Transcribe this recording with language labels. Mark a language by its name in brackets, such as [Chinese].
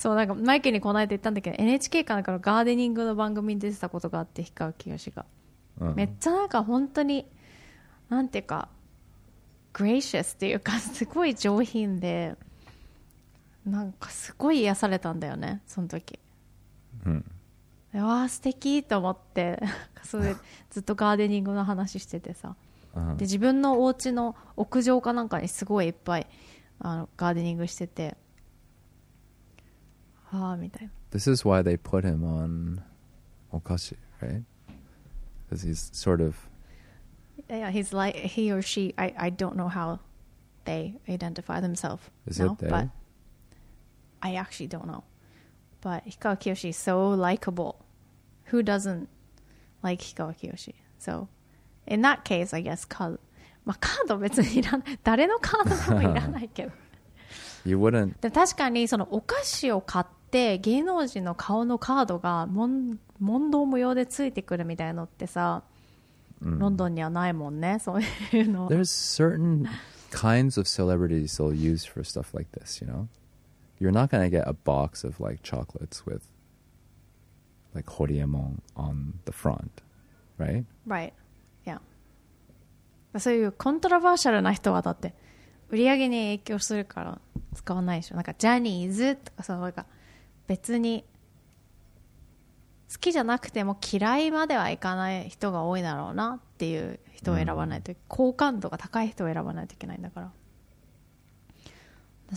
[Japanese] そうなんかマイケルにこの間言ったんだけど NHK かなんかのガーデニングの番組に出てたことがあって氷川きよしが、めっちゃなんか本当になんていうかグレイシアスっていうかすごい上品でなんかすごい癒されたんだよねその時、うん、わー素敵と思ってそれずっとガーデニングの話しててさ、で自分のお家の屋上かなんかにすごいいっぱいあのガーデニングしてて [English] This is why they put him on Okashi, right? Because he's sort of... Yeah, he's like, he or she, I don't know how they identify themselves. Is it they? But I actually don't know. But Hikawa Kiyoshi is so likable. Who doesn't like Hikawa Kiyoshi? So in that case, I guess, card... [Japanese] まあ、カード別にいらない。誰のカードもいらないけど。 [English] You wouldn't... [Japanese] で確かにそのお菓子を買って芸能人の顔のカードが問答無用でついてくるみたいなのってさ、ロンドンにはないもんね、そういうの。 [English] There's certain kinds of celebrities they'll use for stuff like this, you know? You're not gonna get a box of like chocolates with like ホリエモン on the front, right? Right, yeah. [Japanese] そういうコントラバーシャルな人はだって売り上げに影響するから使わないでしょ。なんかジャニーズとかそのなんか別に好きじゃなくても嫌いまではいかない人が多いだろうなっていう人を選ばないと、好感度が高い人を選ばないといけないんだから。